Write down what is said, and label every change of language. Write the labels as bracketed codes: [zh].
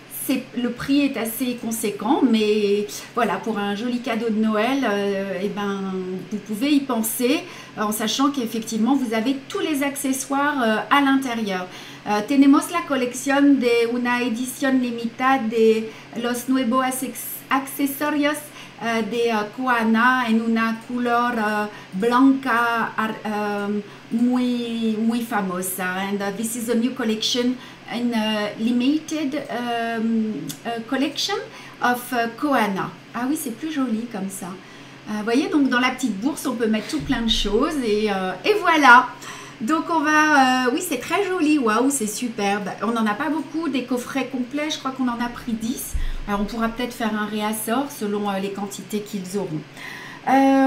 [fr] c'est, le prix est assez conséquent, mais voilà, pour un joli cadeau de Noël, eh ben, vous pouvez y penser en sachant qu'effectivement, vous avez tous les accessoires à l'intérieur. [es] Tenemos la colección de una edición limitada de los nuevos accesorios de Koana en una color blanca muy, muy famosa. [en] And this is a new collection, in a limited collection of Koana. [fr] Ah oui, c'est plus joli comme ça. Vous voyez, donc dans la petite bourse, on peut mettre tout plein de choses et voilà. Donc on va... oui, c'est très joli. Waouh, c'est superbe. On n'en a pas beaucoup des coffrets complets. Je crois qu'on en a pris 10. Alors, on pourra peut-être faire un réassort selon les quantités qu'ils auront.